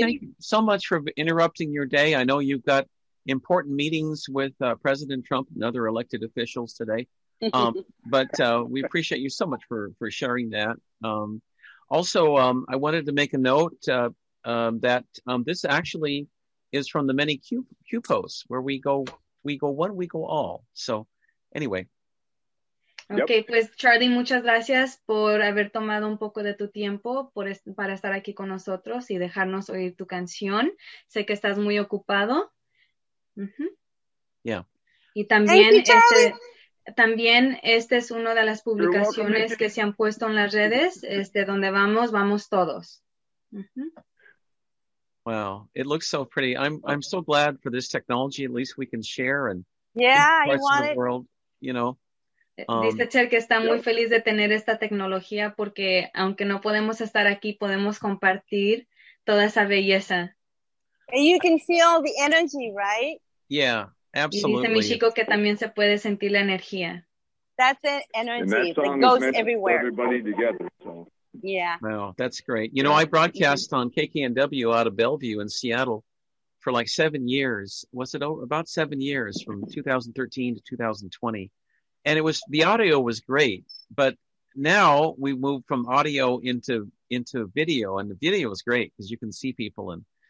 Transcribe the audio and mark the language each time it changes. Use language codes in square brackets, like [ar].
[en] Thank you so much for interrupting your day. I know you've got important meetings with President Trump and other elected officials today. we appreciate you so much for sharing that. Also, I wanted to make a note that this actually is from the many Q posts where we go one, we go all. So anyway. Okay, yep. [es] Pues Charlie, muchas gracias por haber tomado un poco de tu tiempo para estar aquí con nosotros y dejarnos oír tu canción. Sé que estás muy ocupado. [en] Uh-huh. Yeah. [es] Y también también esta es una de las publicaciones que se han puesto en las redes. Donde vamos todos. [en] Uh-huh. Wow, it looks so pretty. I'm so glad for this technology. At least we can share and parts of the world, you know. [es] Dice Cher que está muy feliz de tener esta tecnología porque aunque no podemos estar aquí, podemos compartir toda esa belleza. [en] And you can feel the energy, right? Yeah. Absolutely. [es] Y dice mi chico que también se puede sentir la energía. [en] That's an energy that goes everywhere. Everybody together. So. Yeah. Wow, that's great. You know, I broadcast on KKNW out of Bellevue in Seattle for like 7 years. Was it about 7 years from 2013 to 2020? And the audio was great. But now we moved from audio into video, and the video was great because you can see people and